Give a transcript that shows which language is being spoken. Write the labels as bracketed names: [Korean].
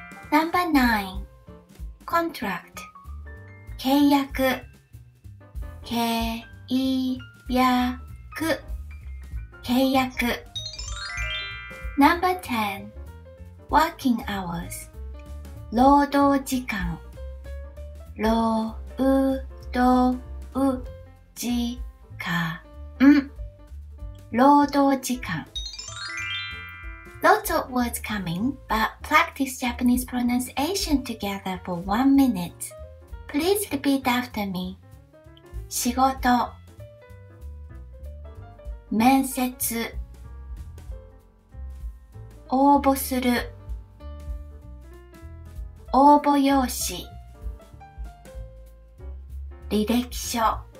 [English] Number 9. Contract. [Japanese] 契約、契約、契約。 [English] Number 10. Working hours. [Japanese] 労働時間、労働時間、労働時間。 [English] Lots of words coming, but practice Japanese pronunciation together for 1 minute. Please repeat after me. [Japanese] 仕事、面接、応募する、応募用紙、履歴書。